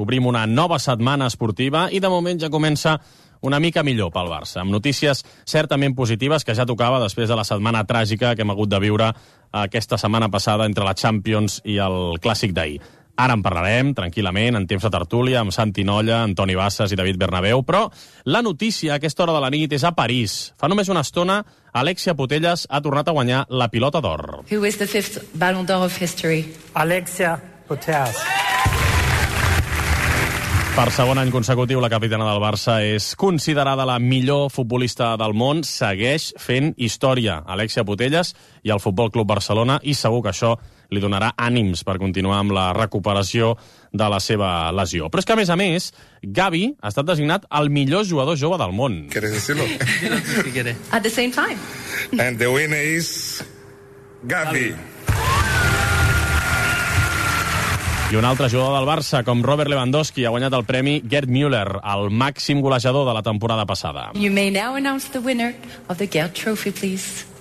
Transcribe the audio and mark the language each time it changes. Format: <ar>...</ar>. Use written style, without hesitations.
<ca>Obrim una nova setmana esportiva i de moment ja comença una mica millor pel Barça, amb notícies certament positives que ja tocava després de la setmana tràgica que hem hagut de viure aquesta setmana passada entre la Champions i el Clàssic d'ahir. Ara en parlarem, tranquil·lament, en temps de tertúlia, amb Santi Nolla, Antoni Bassas i David Bernabéu, però la notícia a aquesta hora de la nit és a París. Fa només una estona, Alexia Putellas ha tornat a guanyar la pilota d'or.</ca> <en>Who is the fifth Ballon d'Or of history? Alexia Putellas.</en> <ca>Per segon any consecutiu, la capitana del Barça és considerada la millor futbolista del món, segueix fent història. Alexia Putellas i el Futbol Club Barcelona, i segur que això li donarà ànims per continuar amb la recuperació de la seva lesió. Però és que, a més, Gavi ha estat designat el millor jugador jove del món.</ca> <es>¿Quieres decirlo?</es> <en>At the same time. And the winner is Gavi.</en> <ca>I un altre jugador del Barça, com Robert Lewandowski, ha guanyat el premi Gerd Müller, el màxim golejador de la temporada passada.</ca> <en>You may now announce the winner of the Gerd Trophy, please.</en>